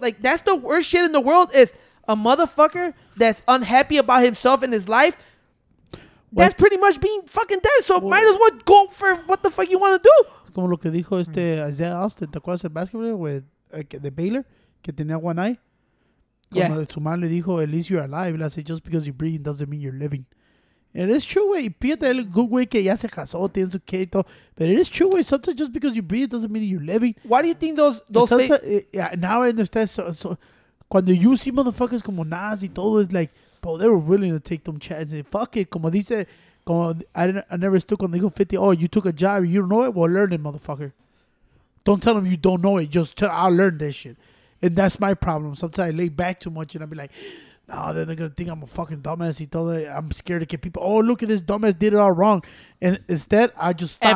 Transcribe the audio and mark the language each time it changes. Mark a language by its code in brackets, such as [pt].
[en] Like, that's the worst shit in the world is a motherfucker that's unhappy about himself and his life. That's what? Pretty much being fucking dead. So might as well go for what the fuck you want to do. [es] Como lo que dijo este Isaiah Austin, ¿te acuerdas el [en] basketball with the Baylor? [es] Que tenía [en] one eye. Yeah. [es] Su madre le dijo, [en] at least you're alive. Le said, just because you're breathing doesn't mean you're living. And it's true, güey. [es] Fíjate el good güey que ya se casó, tiene su kid y todo. [en] But it is true, güey. Sometimes just because you breathe doesn't mean you're living. Why do you think those fake? Now I understand. So cuando you see motherfuckers [es] como Nas y todo, [en] it's like, bro, they were willing to take them chances. Fuck it. [es] Como dice, como [en] I never stood [es] cuando dijo 50. [en] Oh, you took a job. You don't know it? Well, learn it, motherfucker. Don't tell them you don't know it. Just tell, I'll learn this shit. And that's my problem. Sometimes I lay back too much and I'll be like, oh, then they're gonna think I'm a fucking dumbass. He told me I'm scared to get people. Oh, look at this dumbass did it all wrong. And instead, I just stop.